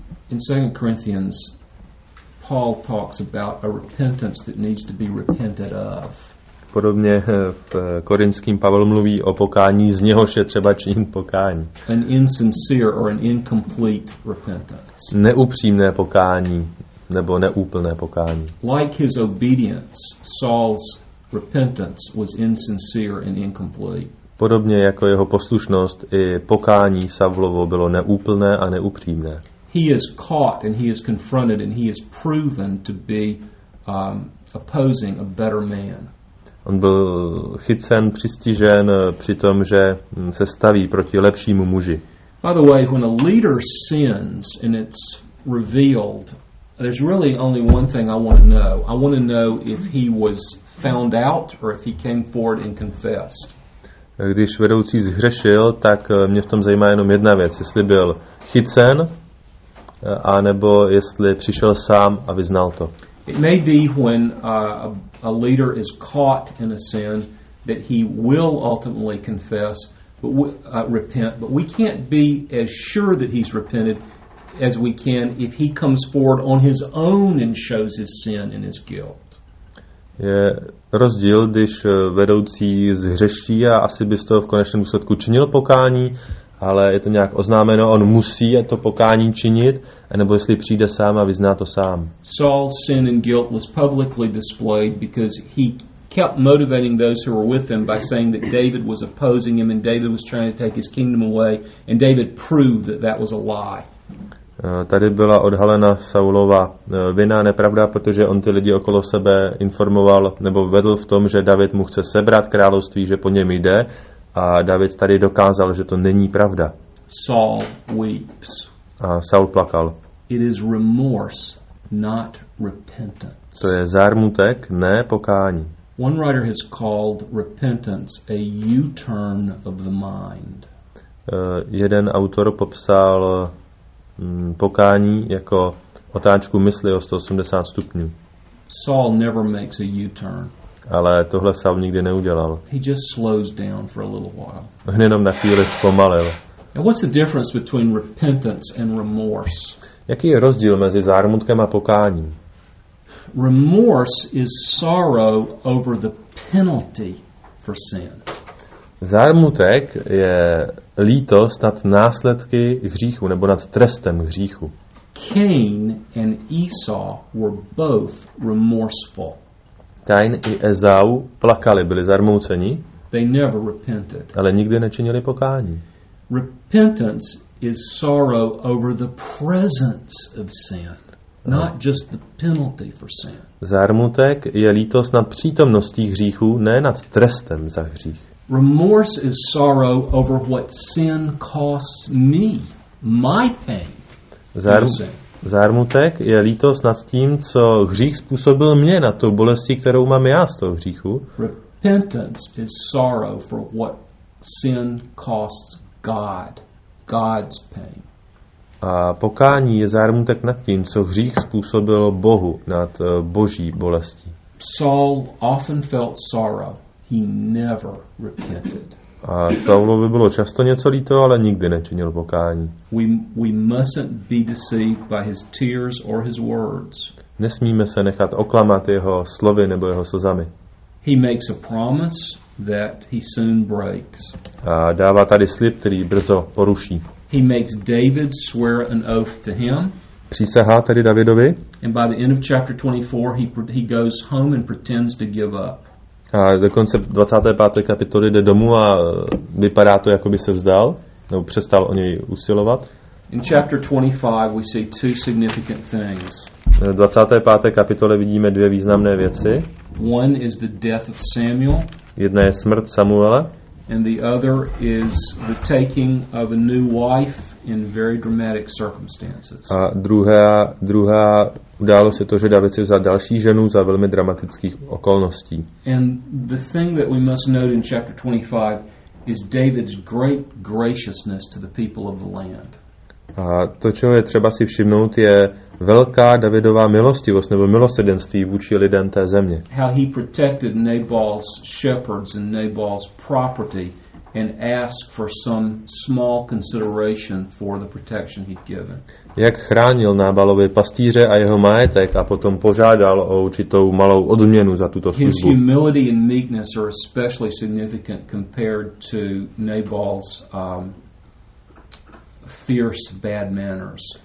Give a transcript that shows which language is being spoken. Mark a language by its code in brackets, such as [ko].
[en] In 2 Corinthians Paul talks about a repentance that needs to be repented of. [cs] Podobně v Korinským Pavel mluví o pokání, z něhož je třeba činit pokání. [en] An insincere or an incomplete repentance. [cs] Neupřímné pokání nebo neúplné pokání. [en] Like his obedience, Saul's repentance was insincere and incomplete. [cs] Podobně jako jeho poslušnost, i pokání Saulovo bylo neúplné a neupřímné. [en] He is caught and he is confronted and he is proven to be opposing a better man. [cs] On byl chycen, přistižen při tom, že se staví proti lepšímu muži. [en] By the way, when a leader sins and it's revealed, there's really only one thing I want to know. I want to know if he was found out or if he came forward and confessed. [cs] Když vedoucí zhřešil, tak mě v tom zajímá jenom jedna věc, jestli byl chycen, a nebo jestli přišel sám a vyznal to. [en] It may be when a leader is caught in a sin that he will ultimately confess, but repent. But we can't be as sure that he's repented as we can if he comes forward on his own and shows his sin and his guilt. [cs] Je rozdíl, když vedoucí zhřeší a asi by z toho v konečném důsledku činil pokání, ale je to nějak oznámeno, on musí to pokání činit, anebo jestli přijde sám a vyzná to sám. [en] Saul's sin and guilt was publicly displayed because he kept motivating those who were with him by saying that David was opposing him and David was trying to take his kingdom away, and David proved that that was a lie. [cs] Tady byla odhalena Saulova vina, nepravda, protože on ty lidi okolo sebe informoval nebo vedl v tom, že David mu chce sebrat království, že po něm jde, a David tady dokázal, že to není pravda. [en] Saul weeps. [cs] A Saul plakal. [en] It is remorse, not repentance. [cs] To je zármutek, ne pokání. [en] One writer has called repentance a U-turn of the mind. [cs] Jeden autor popsal pokání jako otáčku mysli o 180 stupňů. [en] Saul never makes a U-turn. [cs] Ale tohle Saul nikdy neudělal. [en] He just slows down for a little while. [cs] On jenom na chvíli zpomalil. [en] And what's the difference between repentance and remorse? [cs] Jaký je rozdíl mezi zármutkem a pokáním? [en] Remorse is sorrow over the penalty for sin. [cs] Zármutek je lítost nad následky hříchu nebo nad trestem hříchu. [en] Cain and Esau were both remorseful. [cs] Kain i Ezau plakali, byli zarmouceni. [en] They never repented. [cs] Ale nikdy nečinili pokání. [en] Repentance is sorrow over the presence of sin. Not just the penalty for sin. [cs] Zármutek je lítost nad přítomností hříchu, ne nad trestem za hřích. [en] Remorse is sorrow over what sin costs me, my pain. [cs] Zármutek je lítost nad tím, co hřích způsobil mě, nad tou bolestí, kterou mám já z toho hříchu. [en] Repentance is sorrow for what sin costs God, God's pain. [cs] A pokání je zármutek nad tím, co hřích způsobil Bohu, nad Boží bolestí. [en] Saul often felt sorrow. He never repented. [cs] A Saulovi bylo často něco líto, ale nikdy nečinil pokání. [en] We mustn't be deceived by his tears or his words. [cs] Nesmíme se nechat oklamat jeho slovy nebo jeho slzami. [en] He makes a promise that he soon breaks. [cs] A dává tady slib, který brzo poruší. [en] He makes David swear an oath to him. [cs] Přísahá tedy Davidovi. [en] And by the end of chapter 24, he goes home and pretends to give up. [cs] A dokonce v 25. kapitoli jde domů a vypadá to, jako by se vzdal, nebo přestal o něj usilovat. [en] In chapter 25, we see two significant things. [cs] V 25. kapitole vidíme dvě významné věci. [en] One is the death of Samuel. [cs] Jedna je smrt Samuela. [en] And the other is the taking of a new wife in very dramatic circumstances. [cs] A druhá událo se to, že David si vzal další ženu za velmi dramatických okolností. [en] And the thing that we must note in chapter 25 is David's great graciousness to the people of the land. [cs] A to, čeho je třeba si všimnout, je velká Davidová milostivost nebo milosrdenství vůči lidem té země. [en] How he protected Nabal's shepherds and Nabal's property and asked for some small consideration for the protection he'd given. [cs] Jak chránil Nábalovi pastýře a jeho majetek a potom požádal o určitou malou odměnu za tuto službu. [en] His humility and meekness are especially significant compared to Nabal's fierce bad manners.